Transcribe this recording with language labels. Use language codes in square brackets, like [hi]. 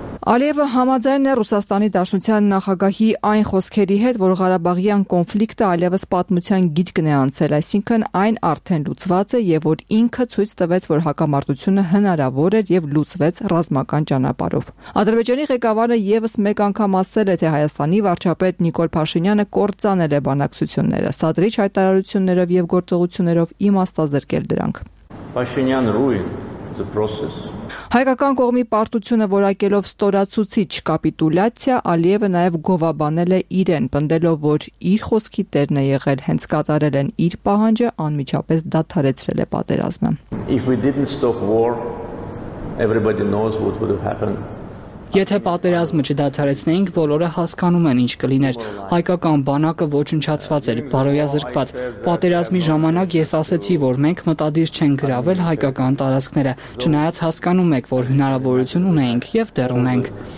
[hy] Ալիևը համաձայն է Ռուսաստանի Դաշնության նախագահի այն խոսքերի հետ, որ Ղարաբաղյան կոնֆլիկտը ալիևս պատմության գիրկն է անցել, այսինքն այն արդեն լուծված է եւ որ ինքը ցույց տվեց, որ հակամարտությունը հնարավոր էր եւ լուծվեց ռազմական ճանապարով։ Ադրբեջանի ղեկավարը եւս մեկ անգամ ասել է, թե Հայաստանի վարչապետ Նիկոլ Փաշինյանը կործանել է բանակցությունները, Սադրիչ հայտարարություններով եւ գործողություններով իմաստազրկել դրանք։ [en] Փաշինյան ruin the process. [hy] Հայկական կողմի պարտությունը որակելով ստորացուցիչ կապիտուլացիա, Ալիևը նաև գովաբանել է իրեն, պնդելով, որ իր խոսքի տերն է եղել, հենց կատարել են իր պահանջը, անմիջապես դադարեցրել է պատերազմը։ [en] If we didn't stop war, everybody knows what would have happened. [hy] Եթե պատերազմը չդադարեցնեինք, բոլորը հասկանում են ինչ կլիներ։ Հայկական բանակը ոչնչացված էր, բարոյազրկված։ Պատերազմի ժամանակ ես ասացի, որ մենք մտադիր չենք գրավել հայկական տարածքները, չնայած հասկանում եք, որ հնարավորություն ունենք եւ դեռ ունենք։